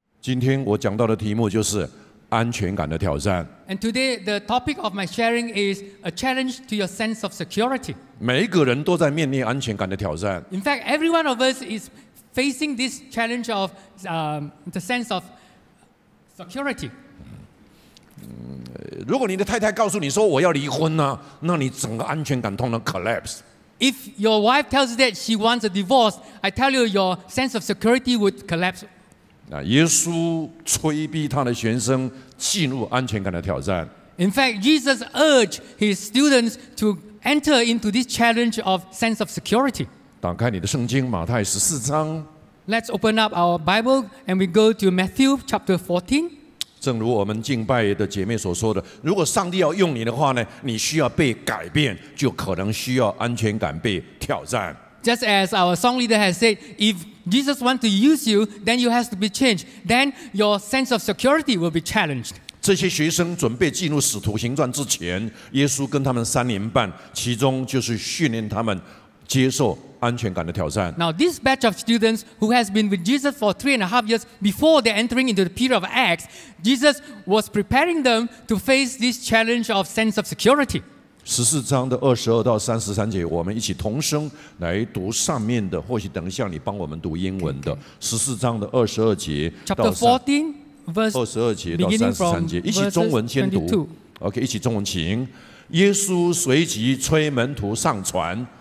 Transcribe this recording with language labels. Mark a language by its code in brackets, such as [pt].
[zh] 今天我讲到的题目就是安全感的挑战。 [en] And today the topic of my sharing is a challenge to your sense of security. [zh] 每一个人都在面临安全感的挑战。 [en] In fact, every one of us is facing this challenge of the sense of security. [zh] 如果你的太太告诉你说我要离婚呢，那你整个安全感通常 collapse。 [en] If your wife tells you that she wants a divorce, I tell you your sense of security would collapse. [zh] 那耶稣催逼他的学生进入安全感的挑战。 [en] In fact, Jesus urged his students to enter into this challenge of sense of security. [zh] 打开你的圣经，马太十四章。 [en] Let's open up our Bible and we go to Matthew chapter 14. [zh] 正如我们敬拜的姐妹所说的，如果上帝要用你的话呢，你需要被改变，就可能需要安全感被挑战。 [en] Just as our song leader has said, if Jesus wants to use you, then you have to be changed. Then your sense of security will be challenged. [zh] 这些学生准备进入使徒行传之前，耶稣跟他们三年半，其中就是训练他们接受安全感的挑战。 [en] Now this batch of students who has been with Jesus for 3.5 years before they entering into the period of Acts, Jesus was preparing them to face this challenge of sense of security. [zh] 十四章的22-33节，我们一起同声来读上面的，或许等一下你帮我们读英文的。十四章的二十二节到 [en] Chapter 14, verse 22-33节， [zh] 一起中文先读。OK， 一起中文请。耶稣随即催门徒上船。